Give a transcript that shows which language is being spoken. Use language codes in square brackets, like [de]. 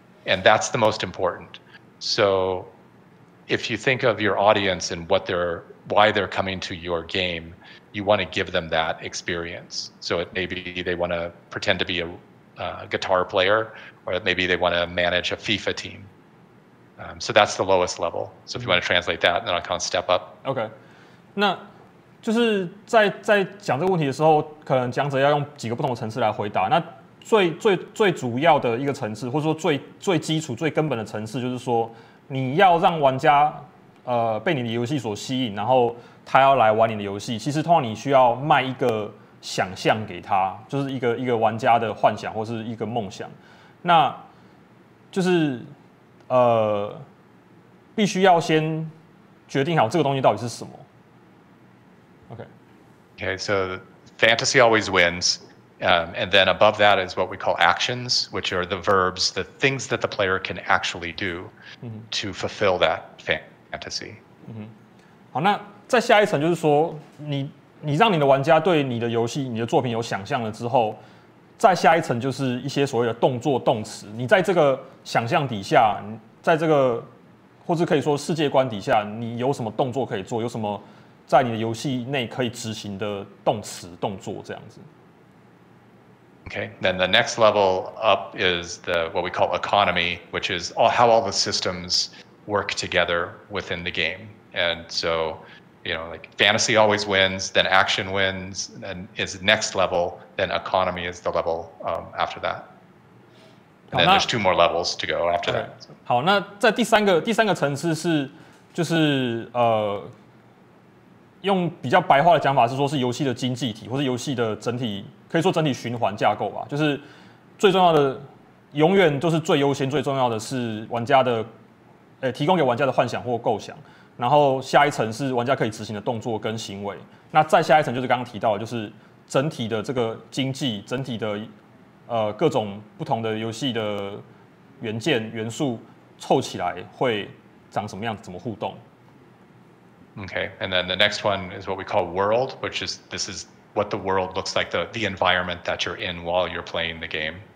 [en] And that's the most important. So if you think of your audience and why they're coming to your game, you want to give them that experience. So it maybe they want to pretend to be a guitar player, or maybe they want to manage a FIFA team. So that's the lowest level. So if you want to translate that, then I can step up. Okay. [zh] 那就是在讲这个问题的时候，可能讲者要用几个不同的层次来回答。那最主要的一个层次，或者说最基础、最根本的层次，就是说你要让玩家被你的游戏所吸引，然后他要来玩你的游戏。其实通常你需要卖一个想象给他，就是一个玩家的幻想或是一个梦想。那就是必须要先决定好这个东西到底是什么。OK, [en] so fantasy always wins. And then above that is what we call actions, which are the verbs, the things that the player can actually do to fulfill that fantasy. [zh] 好，那再下一层就是说，你让你的玩家对你的游戏、你的作品有想象了之后，再下一层就是一些所谓的动作动词。你在这个想象底下，在这个或是可以说世界观底下，你有什么动作可以做？有什么在你的游戏内可以执行的动词、动作这样子？ [en] Okay, then the next level up is the what we call economy, which is all, how all the systems work together within the game. And so, you know, like fantasy always wins, then action wins, and is next level, then economy is the level after that. And then there's two more levels to go after that. [zh] 好，那在第三个层次是就是用比较白话的讲法是说是游戏的经济体或是游戏的整体。可以说整体循环架构吧，就是最重要的，永远都是最优先、最重要的是玩家的，提供给玩家的幻想或构想。然后下一层是玩家可以执行的动作跟行为。那再下一层就是刚刚提到的，就是整体的这个经济、整体的各种不同的游戏的元件元素凑起来会长什么样子，怎么互动 [en] ？Okay, and then the next one is what we call world, which is this is. What the world looks like, the environment that you're in while you're playing the game.